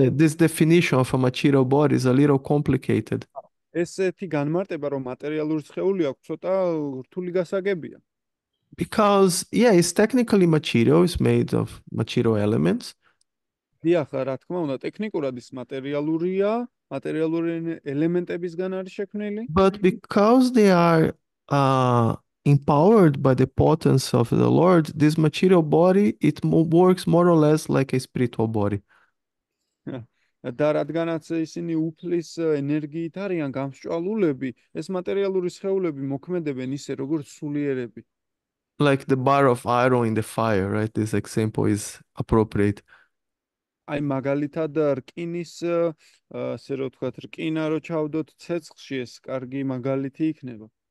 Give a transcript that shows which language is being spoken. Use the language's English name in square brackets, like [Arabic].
[English] this definition of a material body is a little complicated. [Georgian] ესეთი განმარტება, რომ მატერიალური სხეული აქვს, ცოტა რთული გასაგებია. [English] Because, yeah, it's technically material, it's made of material elements. [Georgian] დიახ, რა თქმა უნდა, ტექნიკურად ის მატერიალურია, მატერიალური ელემენტებისგან არის შექმნილი. [English] But because they are empowered by the potency of the Lord, this material body, it works more or less like a spiritual body. [Georgian] და რადგანაც ისინი უფლის ენერგიით არიან გამსჭვალულები, ეს მატერიალური სხეულები მოქმედებენ ისე, როგორც სულიერები. [English] Like the bar of iron in the fire, right? This example is appropriate. [Georgian] აი მაგალითად, რკინის, ასე რომ ვთქვათ, რკინა რო ჩავდოთ ცეცხლში, ეს კარგი მაგალითი იქნება.